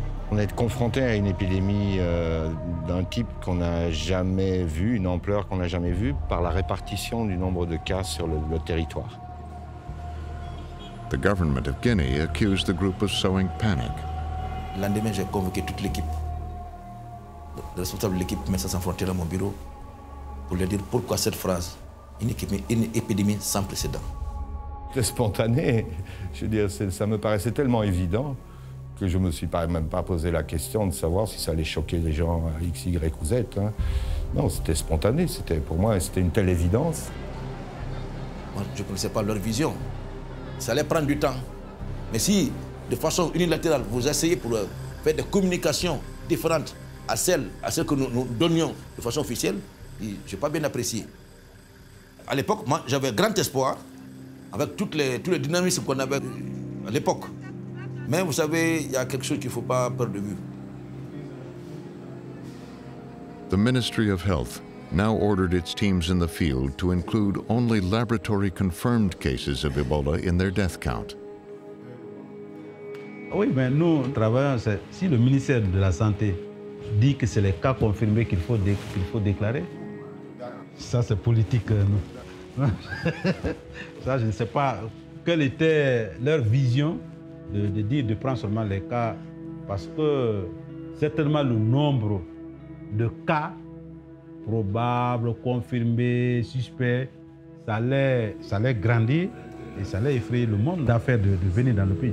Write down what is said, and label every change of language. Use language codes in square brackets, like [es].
[fr] On est confronté à une épidémie d'un type qu'on n'a jamais vu, une ampleur qu'on n'a jamais vue, par la répartition du nombre de cas sur le territoire. [en] The government of Guinea accused the group of sowing panic. [fr] Le lendemain, j'ai convoqué toute l'équipe. Le responsable de l'équipe, Médecins sans frontières, à mon bureau, pour lui dire pourquoi cette phrase, une épidémie sans précédent. C'est spontané, je veux dire, ça me paraissait tellement évident que je ne me suis même pas posé la question de savoir si ça allait choquer les gens X, Y ou Z. Hein. Non, c'était spontané. C'était, pour moi, c'était une telle évidence. Moi, je ne connaissais pas leur vision. Ça allait prendre du temps. Mais si, de façon unilatérale, vous essayez pour faire des communications différentes à celles à celle que nous donnions de façon officielle, je n'ai pas bien apprécié. À l'époque, moi, j'avais grand espoir avec tous les dynamismes qu'on avait à l'époque. Mais vous savez, il y a quelque chose qu'il ne faut pas perdre de vue. [en] The Ministry of Health now ordered its teams in the field to include only laboratory confirmed cases of Ebola in their death count. [fr] Oui, mais nous travaillons, si le ministère de la Santé dit que c'est les cas confirmés qu'il faut déclarer, ça c'est politique. Non. Ça, je ne sais pas quelle était leur vision. De dire de prendre seulement les cas, parce que certainement le nombre de cas probables, confirmés, suspects, ça allait grandir et ça allait effrayer le monde d'affaires de venir dans le pays.